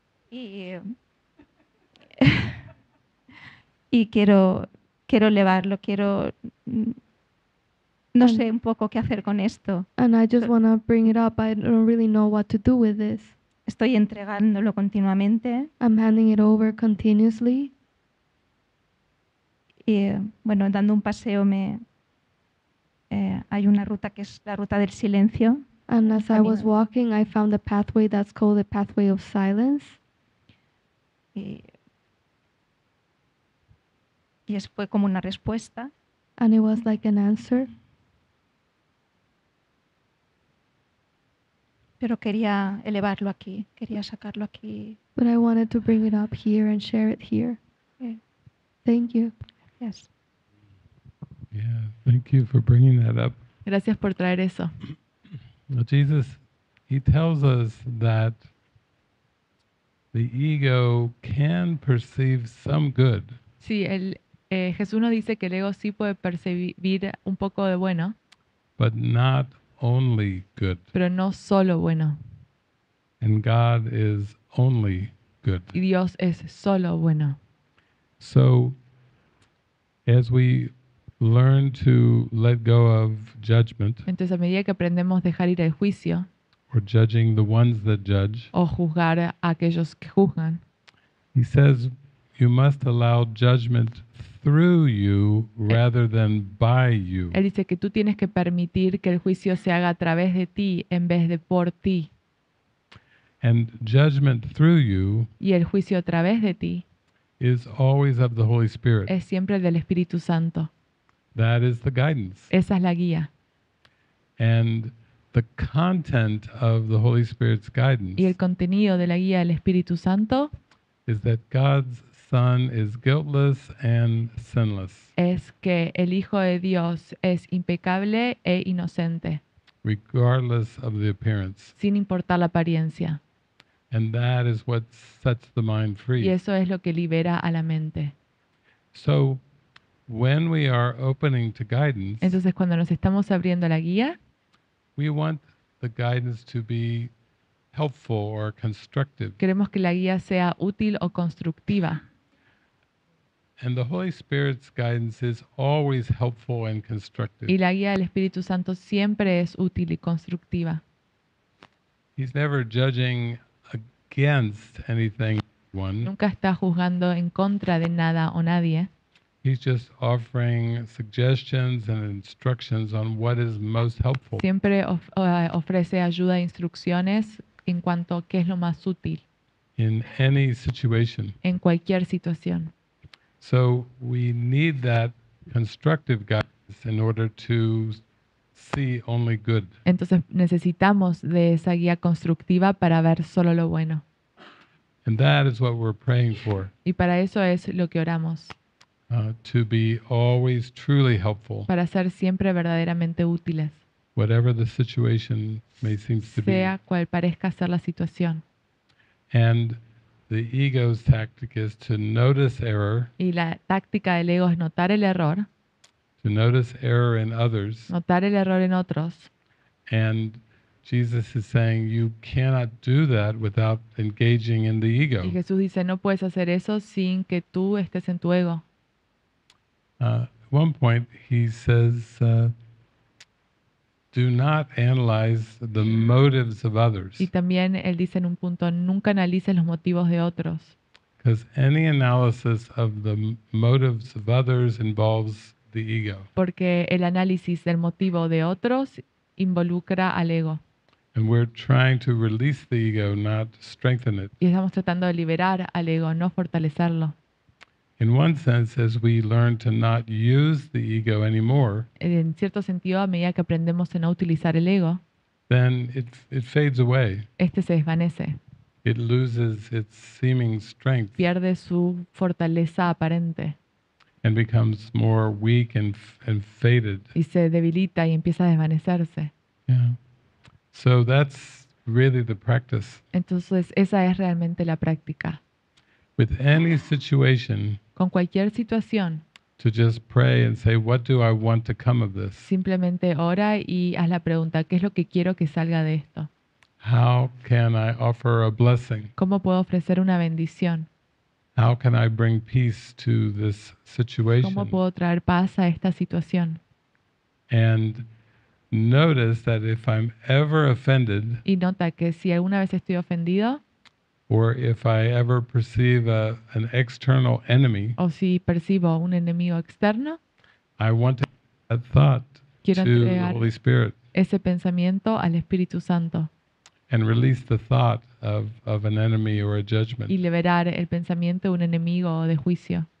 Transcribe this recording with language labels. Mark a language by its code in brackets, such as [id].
[es] Y quiero elevarlo, quiero no sé un poco qué hacer con esto. [en] And I just want to bring it up. I don't really know what to do with this. [es] Estoy entregándolo continuamente. [en] I'm handing it over continuously. [es] Y bueno, dando un paseo hay una ruta que es la ruta del silencio. [en] And as I was walking, I found a pathway that's called the pathway of silence. [es] Y fue como una respuesta. [en] And it was like an answer. [es] Pero quería elevarlo aquí, quería sacarlo aquí. [en] But I wanted to bring it up here and share it here. Okay. Thank you. Yes. Yeah, thank you for bringing that up. [es] Gracias por traer eso. [en] Well, Jesus, he tells us that the ego can perceive some good. [es] Sí, Jesús nos dice que el ego sí puede percibir un poco de bueno. [en] But not only good. [es] Pero no solo bueno. [en] And God is only good. [es] Y Dios es solo bueno. [en] So, as we learn to let go of judgment. [es] Entonces, a medida que aprendemos a dejar ir el juicio. [en] Or judging the ones that judge. [es] O juzgar a aquellos que juzgan. [en] He says, you must allow judgment through you rather than by you. [es] Él dice que tú tienes que permitir que el juicio se haga a través de ti en vez de por ti. [en] And judgment through you. [es] Y el juicio a través de ti. [en] Is always of the Holy Spirit. [es] Es siempre del Espíritu Santo. [en] That is the guidance. [es] Esa es la guía. [en] And the content of the Holy Spirit's guidance. [es] Y el contenido de la guía del Espíritu Santo. [en] Is that God's Son is guiltless and sinless. [es] Es que el Hijo de Dios es impecable e inocente. [en] Regardless of the appearance. [es] Sin importar la apariencia. [en] And that is what sets the mind free. [es] Y eso es lo que libera a la mente. [en] So, when we are opening to guidance. [es] Entonces cuando nos estamos abriendo la guía. [en] We want the guidance to be helpful or constructive. [es] Queremos que la guía sea útil o constructiva. [en] And the Holy Spirit's guidance is always helpful and constructive. [es] Y la guía del Espíritu Santo siempre es útil y constructiva. [en] He's never judging against anything. [es] Nunca está juzgando en contra de nada o nadie. [en] He's just offering suggestions and instructions on what is most helpful. [es] Siempre ofrece ayuda e instrucciones en cuanto a qué es lo más útil. [en] In any situation. [es] En cualquier situación. [en] So we need that constructive guidance in order to see only good. [es] Entonces necesitamos de esa guía constructiva para ver solo lo bueno. [en] And that is what we're praying for. [es] Y para eso es lo que oramos. [en] To be always truly helpful. [es] Para ser siempre verdaderamente útiles. [en] Whatever the situation may seem to be. [es] Sea cual parezca ser la situación. [en] And the ego's tactic is to notice error. [es] Y la táctica del ego es notar el error. [en] To notice error in others. [es] Notar el error en otros. [en] And Jesus is saying you cannot do that without engaging in the ego. [es] Y Jesús dice no puedes hacer eso sin que tú estés en tu ego. [en] At one point, he says, "Do not analyze the motives of others." [es] Y también él dice en un punto, nunca analices los motivos de otros. [en] Because any analysis of the motives of others involves the ego. [es] Porque el análisis del motivo de otros involucra al ego. [en] And we're trying to release the ego, not strengthen it. [es] Y estamos tratando de liberar al ego, no fortalecerlo. [en] In one sense, as we learn to not use the ego anymore, [es] en cierto sentido, a medida que aprendemos a no utilizar el ego, [en] then it fades away. [es] Este se desvanece. [en] It loses its seeming strength. [es] Pierde su fortaleza aparente. [en] And becomes more weak and faded. [es] Y se debilita y empieza a desvanecerse. [en] Yeah. So that's really the practice. [es] Entonces, esa es realmente la práctica. [en] With any situation, [es] con cualquier situación, [en] to just pray and say, what do I want to come of this? [es] Simplemente ora y haz la pregunta, ¿qué es lo que quiero que salga de esto? [en] How can I offer a blessing? [es] ¿Cómo puedo ofrecer una bendición? [en] How can I bring peace to this situation? [es] ¿Cómo puedo traer paz a esta situación? [en] And notice that if I'm ever offended, [es] y nota que si alguna vez estoy ofendido, [en] or if I ever perceive an external enemy, [es] o si percibo un enemigo externo, [en] I want to give that thought to the Holy Spirit. [es] Ese pensamiento al Espíritu Santo. [en] And release the thought of an enemy or a judgment. [es] Y liberar el pensamiento de un enemigo o de juicio.